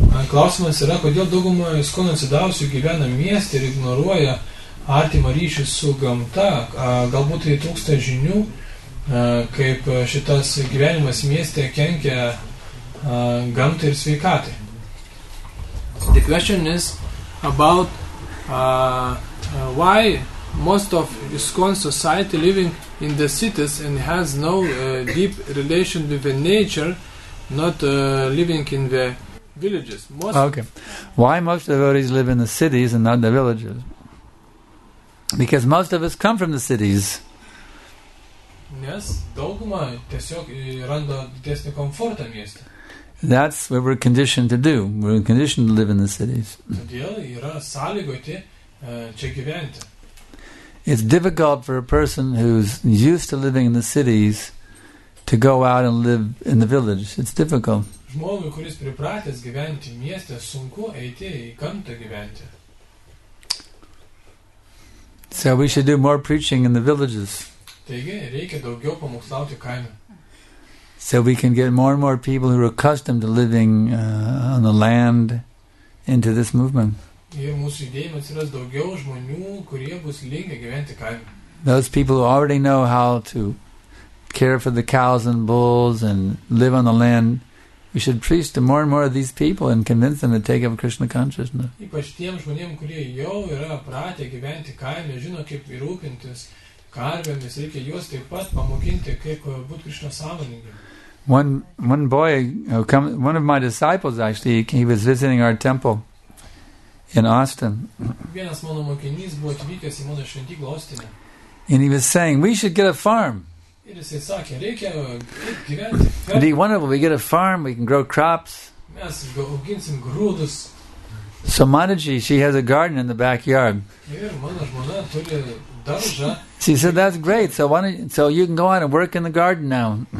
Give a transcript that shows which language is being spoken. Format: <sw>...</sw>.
<lt>Klausimas yra, kodėl daugumą iskonų atsidavusių gyvena mieste ir ignoruoja artimą ryšį su gamta. Galbūt tai trūksta žinių, kaip šitas gyvenimas mieste kenkia gamtai ir sveikatai.</lt> <en>The question is about why most of iskon society living in the cities and has no deep relation with the nature, not living in the villages. Why most devotees live in the cities and not the villages? Because most of us come from the cities.</en> <lt>Nes dauguma tiesiog randa didesnį komfortą mieste.</lt> <en>That's what we're conditioned to do. We're conditioned to live in the cities.</en> <lt>Todėl yra sąlygoti čia gyventi.</lt> <en>It's difficult for a person who's used to living in the cities to go out and live in the village. It's difficult.</en> <lt>Žmogui, kuris pripratęs gyventi mieste, sunku eiti į gamtą gyventi.</lt> <en>So we should do more preaching in the villages.</en> <lt>Taigi, reikia daugiau pamokslauti kaime.</lt> <en>So we can get more and more people who are accustomed to living on the land into this movement.</en> <lt>Ir mūsų judėjimas yra daugiau žmonių, kurie bus linkę gyventi kaime.</lt> <en>Those people who already know how to care for the cows and bulls and live on the land, we should preach to more and more of these people and convince them to take up Krishna consciousness.</en> <lt>Ypač tiem žmonėm, kurie jau yra pratę gyventi kaime, žino kaip rūpintis karvėmis, reikia juos taip pat pamokinti, kaip būt Krishna sąmoningi.</lt> <en>One of my disciples actually, he was visiting our temple in Austin.</en> <lt>Vienas mano mokinys buvo atvykęs į mano šventyklą Austine.</lt> <en>And he was saying, we should get a farm.</en> <lt>Ir jisai sakė, reikia gyventi.</lt> <en>It'd be wonderful, we get a farm, we can grow crops.</en> <lt>Mes auginsim grūdus.</lt> <en>So Mataji, she has a garden in the backyard.</en> <lt>Ir mano žmona turi daržą.</lt> <en>She said, that's great, so you can go out and work in the garden now.</en>